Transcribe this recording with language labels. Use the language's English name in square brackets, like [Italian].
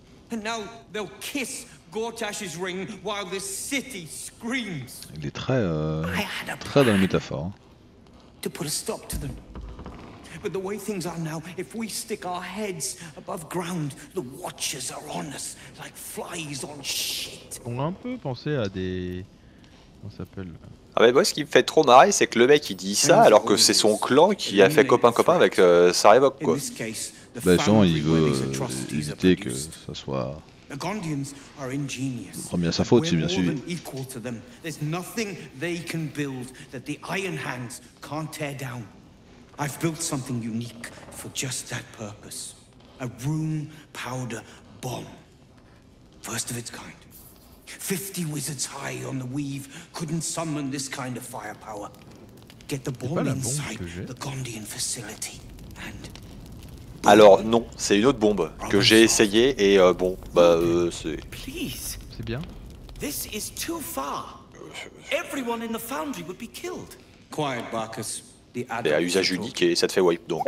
[English] And now they'll kiss Gortash's ring while this city screams. [French] Il est très, très dans la métaphore. [English] To put a stop to them. But the way things are now, if we stick our heads above ground, the Watchers are on us like flies on shit. [French] On a un peu pensé à des... Comment ça s'appelle? Ah mais moi ce qui me fait trop marrer, c'est que le mec il dit ça alors que c'est son clan qui a fait copain-copain avec Saravok quoi. Bah Jean il veut éviter que ça soit... [English] The Gondians are ingenious. [French] Oh, bien sa faute, c'est bien sûr. [English] Equal to them. There's nothing they can build that the Iron Hands can't tear down. I've built something unique for just that purpose. A rune powder bomb. First of its kind. 50 wizards high on the weave couldn't summon this kind of firepower. Get the bomb inside the Gondian facility and... [French] Alors non, c'est une autre bombe que j'ai essayé et bon, bah c'est... [English] Please. [French] C'est bien. [English] This is too far. Everyone in the foundry would be killed. Quiet, Barkus. [French] Mais à usage unique et ça te fait wipe donc...